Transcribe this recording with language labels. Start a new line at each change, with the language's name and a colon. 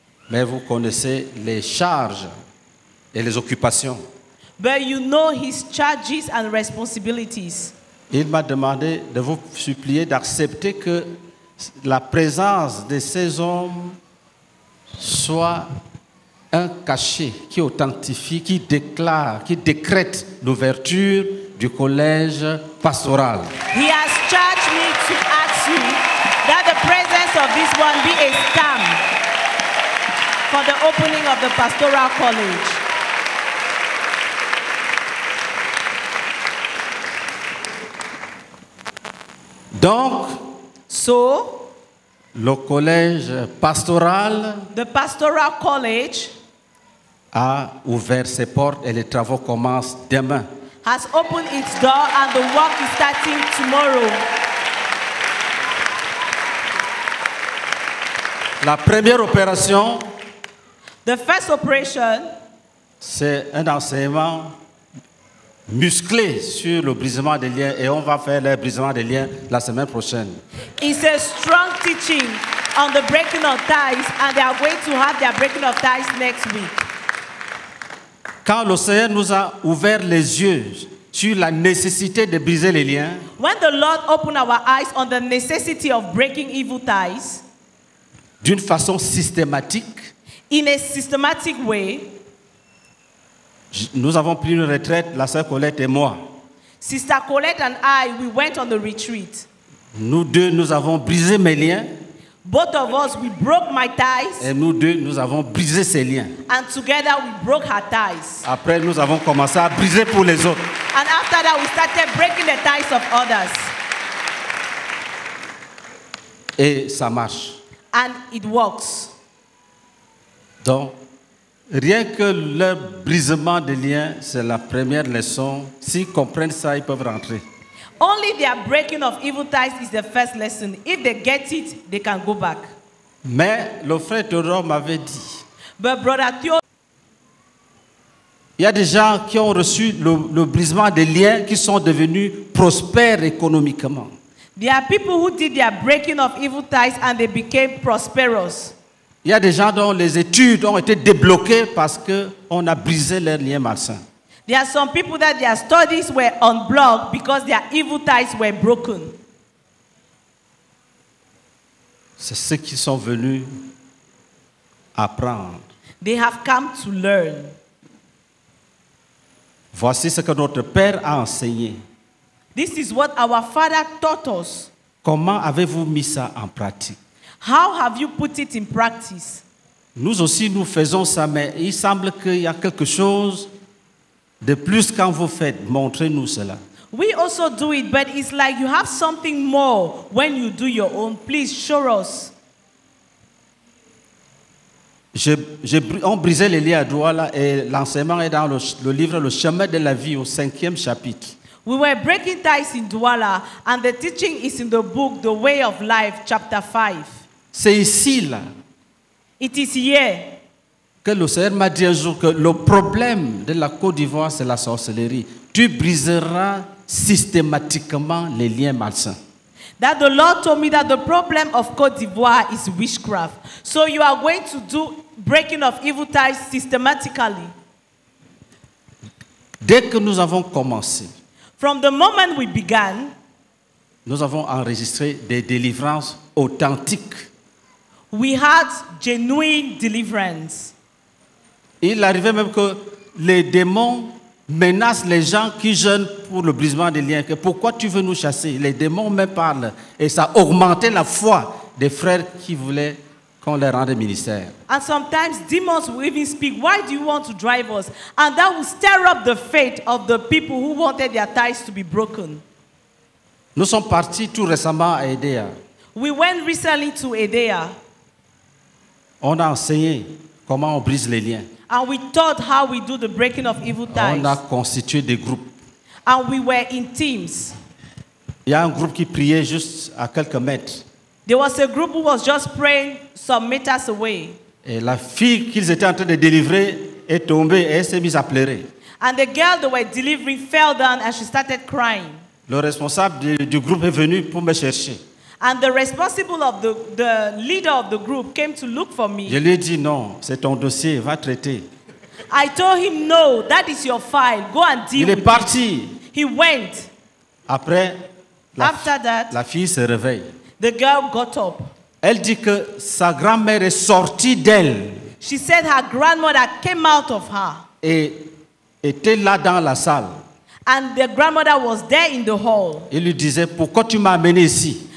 French: Mais vous connaissez les charges et les occupations.
English: But you know his charges and responsibilities.
French: Il m'a demandé de vous supplier d'accepter que la présence de ces hommes soit un cachet qui authentifie, qui déclare, qui décrète l'ouverture du collège pastoral.
English: He has charged me to ask you that the presence of this one be a stamp for the opening of the pastoral college.
French: Donc,
English: so,
French: le collège pastoral,
English: the pastoral college,
French: a ouvert ses portes et les travaux commencent demain.
English: Has opened its door and the work is starting tomorrow.
French: La première opération,
English: the first operation,
French: c'est un enseignement musclé sur le brisement des liens et on va faire le brisement des liens la semaine prochaine.
English: It's a strong teaching on the breaking of ties and they are going to have their breaking of ties next week.
French: Quand le Seigneur nous a ouvert les yeux sur la nécessité de briser les liens,
English: when the Lord opened our eyes on the necessity of breaking evil ties,
French: d'une façon systématique,
English: in a systematic way,
French: nous avons pris une retraite, la sœur Colette et moi.
English: Sister Colette and I, we went on the retreat.
French: Nous deux, nous avons brisé mes liens.
English: Both of us, we broke my ties.
French: Et nous deux, nous avons brisé ses liens.
English: And together, we broke her ties.
French: Après, nous avons commencé à briser pour les autres.
English: And after that, we started breaking the ties of others.
French: Et ça marche.
English: And it works.
French: Donc, rien que le brisement des liens, c'est la première leçon. S'ils comprennent ça, ils peuvent rentrer.
English: Only their breaking of evil ties is the first lesson. If they get it, they can go back.
French: Mais le frère Théodore m'avait dit.
English: But brother Théodore,
French: il y a des gens qui ont reçu le brisement des liens qui sont devenus prospères économiquement.
English: There are people who did their breaking of evil ties and they became prosperous.
French: Il y a des gens dont les études ont été débloquées parce que on a brisé leurs liens malsains.
English: There are some people that their studies were unblocked because their evil ties were broken.
French: C'est ceux qui sont venus apprendre.
English: They have come to learn.
French: Voici ce que notre père a enseigné.
English: This is what our father taught us.
French: Comment avez-vous mis ça en pratique?
English: How have you put it in practice?
French: Nous aussi nous faisons ça, mais il semble qu'il y a quelque chose de plus quand vous faites. Montrez-nous cela.
English: We also do it, but it's like you have something more when you do your own. Please show us.
French: On brisé les liens à Douala et l'enseignement est dans le livre Le Chemin de la Vie au cinquième chapitre.
English: We were breaking ties in Douala and the teaching is in the book The Way of Life, chapter 5.
French: C'est ici là.
English: It is here.
French: Que le Seigneur m'a dit un jour que le problème de la Côte d'Ivoire, c'est la sorcellerie. Tu briseras systématiquement les liens malsains.
English: That the Lord told me that the problem of Côte d'Ivoire is witchcraft. So you are going to do breaking of evil ties systematically.
French: Dès que nous avons commencé,
English: from the moment we began,
French: nous avons enregistré des délivrances authentiques.
English: We had genuine deliverance.
French: Il arrivait même que les démons menacent les gens qui jeûnent pour le brisement des liens. Pourquoi tu veux nous chasser? Les démons me parlent. Et ça augmentait la foi des frères qui voulaient qu'on leur rende ministère.
English: And sometimes demons will even speak, why do you want to drive us? And that will stir up the faith of the people who wanted their ties to be broken.
French: Nous sommes partis tout récemment à Edea.
English: We went recently to Edea.
French: On a enseigné comment on brise les liens.
English: And we taught how we do the breaking of evil ties.
French: On a constitué des groupes.
English: And we were in teams.
French: Il y a un groupe qui priait juste à quelques mètres.
English: There was a group who was just praying some meters away.
French: Et la fille qu'ils étaient en train de délivrer est tombée et elle s'est mise à pleurer.
English: And the girl they were delivering fell down and she started crying.
French: Le responsable du groupe est venu pour me chercher.
English: And the responsible of the leader of the group came to look for me.
French: Je lui ai dit non, c'est ton dossier, va traiter.
English: I told him no, that is your file, go and deal.
French: Il est parti.
English: He went.
French: Après,
English: after that,
French: la fille se réveille.
English: The girl got up.
French: Elle dit que sa grand-mère est sortie d'elle.
English: She said her grandmother came out of her.
French: Et était là dans la salle.
English: And the grandmother was there in the hall.
French: Il lui disait, pourquoi tu m'as amené ici?